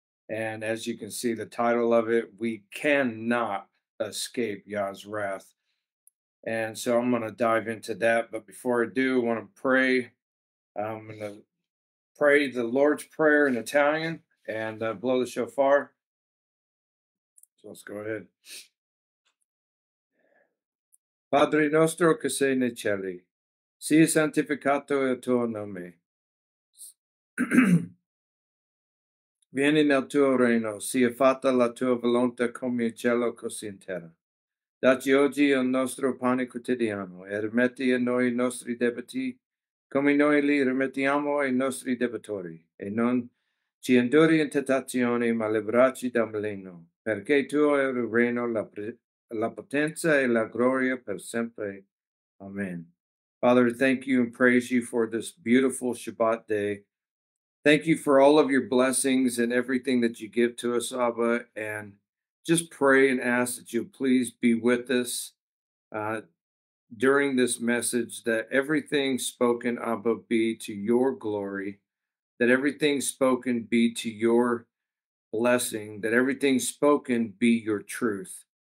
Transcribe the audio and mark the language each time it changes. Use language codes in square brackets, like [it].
[en] And as you can see, the title of it, we cannot escape Yah's wrath. And so I'm going to dive into that. But before I do, I want to pray. I'm going to pray the Lord's Prayer in Italian and blow the shofar. So let's go ahead. [it] Padre nostro che sei nei cieli, sia santificato il tuo nome. Vieni nel tuo regno, sia fatta la tua volontà come in cielo così in terra. Dacci oggi il nostro pane quotidiano, e rimetti a noi i nostri debiti, come noi li rimettiamo ai nostri debitori, e non ci induri in tentazione, ma liberaci dal maligno, perché tuo è il regno, la potenza e la gloria per sempre. Amen. [en] Father, thank you and praise you for this beautiful Shabbat day. Thank you for all of your blessings and everything that you give to us, Abba. And just pray and ask that you please be with us during this message, that everything spoken, Abba, be to your glory, that everything spoken be to your blessing, that everything spoken be your truth.